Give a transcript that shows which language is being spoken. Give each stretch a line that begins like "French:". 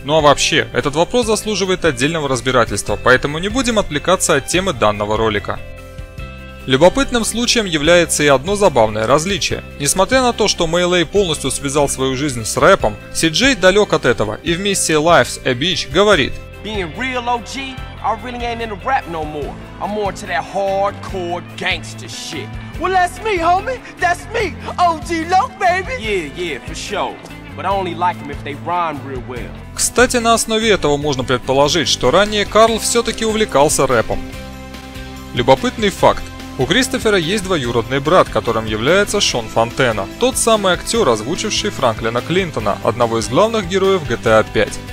Russian: Ну а вообще, этот вопрос заслуживает отдельного разбирательства, поэтому не будем отвлекаться от темы данного ролика. Любопытным случаем является и одно забавное различие. Несмотря на то, что Мэйлэй полностью связал свою жизнь с рэпом, СиДжей далек от этого и в миссии Life's a Bitch говорит:
English: Being real OG, I really ain't into rap no more. I'm more to that hardcore gangster shit. Well, that's me, homie. That's me, OG Loke, baby. Yeah, for sure. But I only like them if they rhyme real well.
Russian: Кстати, на основе этого можно предположить, что ранее Карл все-таки увлекался рэпом. Любопытный факт. У Кристофера есть двоюродный брат, которым является Шон Фонтена, тот самый актер, озвучивший Франклина Клинтона, одного из главных героев GTA 5.